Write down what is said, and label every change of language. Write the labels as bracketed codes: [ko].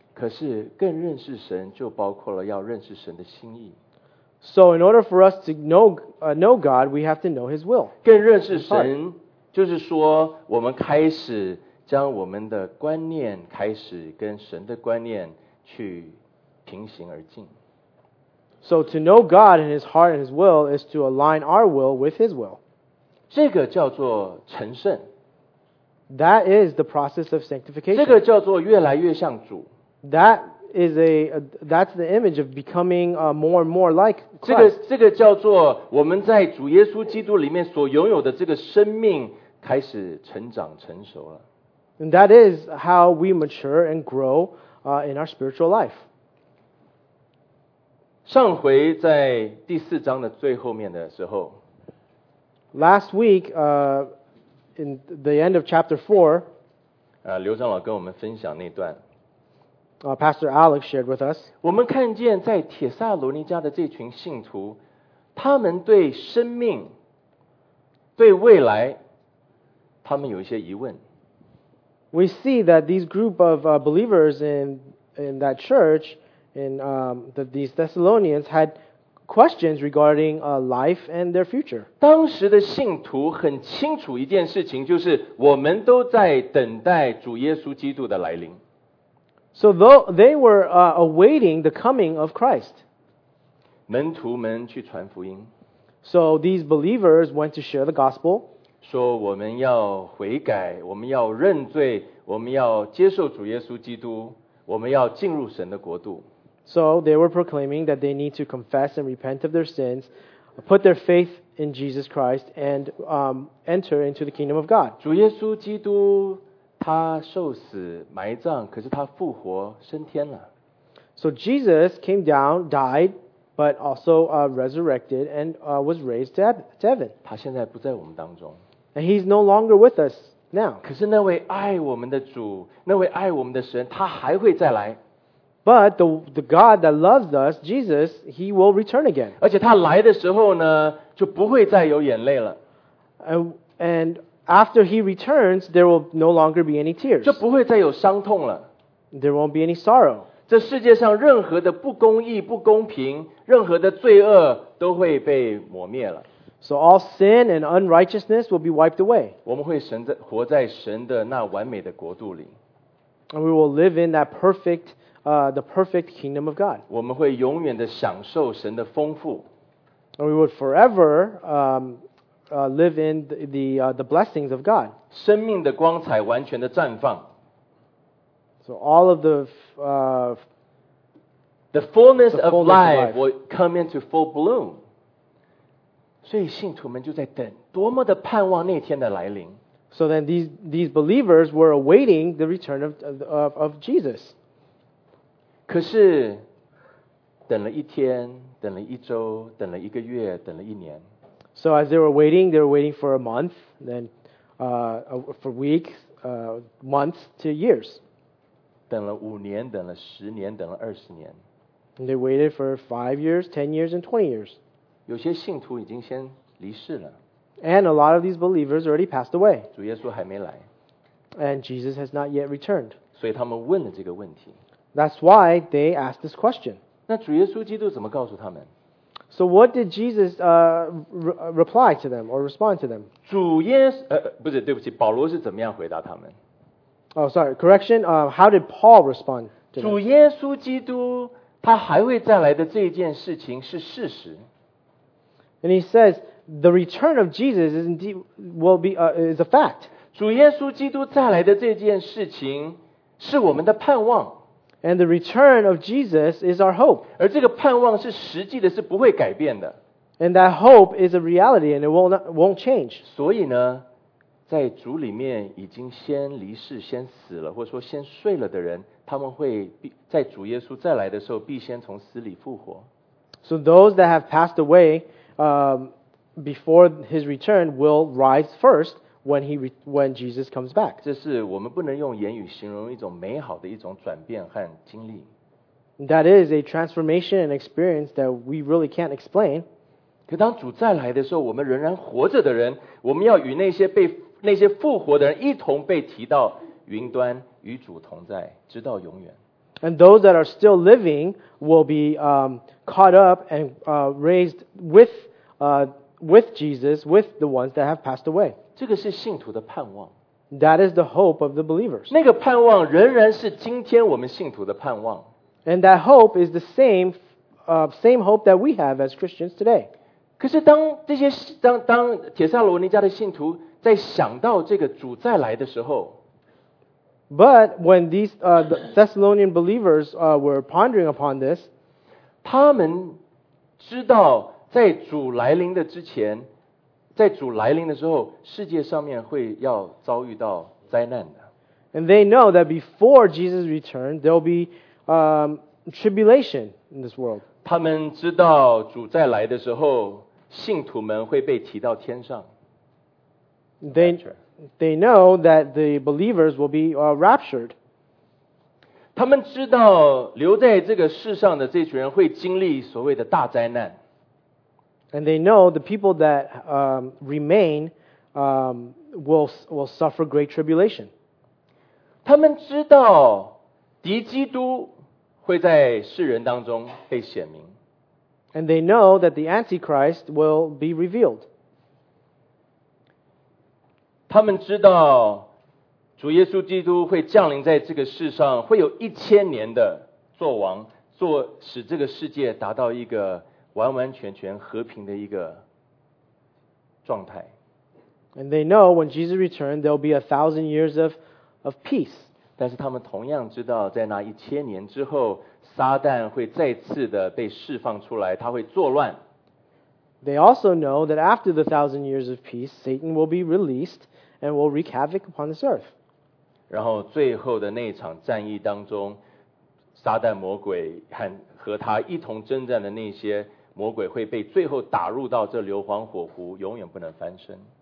[zh] 可是更认识神就包括了要认识神的心意。 [en] So in order for us to know God, we have to know His will. [zh] 更认识神就是说我们开始将我们的观念开始跟神的观念去平行而进。 [en] So to know God and His heart and His will is to align our will with His will. [zh] 这个叫做成圣。 [en] That is the process of sanctification. [zh] 这个叫做越来越像主。 [en] That's the image of becoming more and more like Christ. [zh] 这个叫做我们在主耶稣基督里面所拥有的这个生命开始成长成熟了。 [en] And that is how we mature and grow in our spiritual life. [zh] 上回在第四章的最后面的时候， [en] Last week, in the end of chapter 4, [zh] 刘长老跟我们分享那段。 [en] Pastor Alex shared with us. [zh] 我们看见在帖撒罗尼迦的这群信徒，他们对生命、对未来，他们有一些疑问。 [en] We see that these group of believers in that church, that these Thessalonians had. Questions regarding life and their future. [zh] 当时的信徒很清楚一件事情，就是我们都在等待主耶稣基督的来临。 [en] So though they were awaiting the coming of Christ. [zh] 门徒们去传福音。 [en] So these believers went to share the gospel. [zh] 说我们要悔改，我们要认罪，我们要接受主耶稣基督，我们要进入神的国度。 [en] So they were proclaiming that they need to confess and repent of their sins, put their faith in Jesus Christ, and enter into the kingdom of God. [zh] 主耶稣基督他受死埋葬，可是他复活升天了。 [en] So Jesus came down, died, but also resurrected and was raised to heaven. [zh] 他现在不在我们当中。 [en] And he's no longer with us now. [zh] 可是那位爱我们的主，那位爱我们的神，他还会再来。 [en] But the God that loves us, Jesus, He will return again. [zh] 而且他来的时候呢，就不会再有眼泪了。 [en] And after He returns, there will no longer be any tears. [zh] 就不会再有伤痛了。 [en] There won't be any sorrow. [zh] 这世界上任何的不公义、不公平、任何的罪恶都会被抹灭了。 [en] So all sin and unrighteousness will be wiped away. [zh] 我们会活在神的那完美的国度里。 [en] And we will live in that perfect. The perfect kingdom of God. [zh] 我们会永远的享受神的丰富。 [en] We would forever live in the blessings of God. [zh] 生命的光彩完全的绽放。 [en] So all of the fullness of life will come into full bloom. [zh] 所以信徒们就在等，多么的盼望那天的来临。 [en] So then these believers were awaiting the return of Jesus. [zh] 可是等了一天，等了一周，等了一个月，等了一年。 [en] So as they were waiting for a month, then for weeks, months to years. [zh] 等了五年，等了十年，等了二十年。 [en] And they waited for 5 years, 10 years, and 20 years. [zh] 有些信徒已经先离世了。 [en] And a lot of these believers already passed away. [zh] 主耶稣还没来。 [en] And Jesus has not yet returned. [zh] 所以他们问了这个问题。 [en] That's why they asked this question. [zh] 那主耶稣基督怎么告诉他们？ [en] So what did Jesus reply to them or respond to them? [zh] 主耶稣不是对不起，保罗是怎么样回答他们？ [en] Oh, sorry, correction. How did Paul respond to them? [zh] 主耶稣基督他还会再来的这件事情是事实。 [en] And he says the return of Jesus is indeed is a fact. [zh] 主耶稣基督再来的这件事情是我们的盼望。 [en] And the return of Jesus is our hope. [zh] 而这个盼望是实际的，是不会改变的。 [en] And that hope is a reality and it won't change. [zh] 所以呢，在主里面已经先离世先死了或者说先睡了的人，他们会在主耶稣再来的时候必先从死里复活。 [en] So those that have passed away, before his return will rise first when Jesus comes back. [zh] 这是我们不能用言语形容一种美好的一种转变和经历。 [en] That is a transformation and experience that we really can't explain. [zh] 可当主再来的时候，我们仍然活着的人，我们要与那些复活的人一同被提到云端，与主同在，直到永远。 [en] And those that are still living will be caught up and raised with Jesus, with the ones that have passed away. [zh] 这个是信徒的盼望。 [en] That is the hope of the believers. [zh] 那个盼望仍然是今天我们信徒的盼望。 [en] And that hope is the same hope that we have as Christians today. [zh] 可是当帖撒罗尼迦的信徒在想到这个主再来的时候， [en] But when these the Thessalonian believers were pondering upon this, [zh] 他们知道在主来临的之前，在主来临的时候，世界上面会要遭遇到灾难的。 [en] And they know that before Jesus returned, there'll be tribulation in this world. [zh] 他们知道主再来的时候，信徒们会被提到天上。 [en] They know that the believers will be raptured. [zh] 他们知道留在这个世上的这群人会经历所谓的大灾难。 [en] And they know the people that remain will suffer great tribulation. [zh] 他们知道敌基督会在世人当中被显明。 [en] And they know that the Antichrist will be revealed. [zh] 他们知道主耶稣基督会降临在这个世上，会有一千年的作王，做使这个世界达到一个完完全全和平的一个状态。 [en] And they know when Jesus returns, there'll be 1,000 years of peace. [zh] 但是他们同样知道，在那一千年之后，撒旦会再次的被释放出来，他会作乱。 [en] They also know that after the 1,000 years of peace, Satan will be released and will wreak havoc upon this earth. [zh] 然后最后的那场战役当中，撒旦魔鬼和他一同征战的那些魔鬼会被最后打入到这硫磺火湖，永远不能翻身。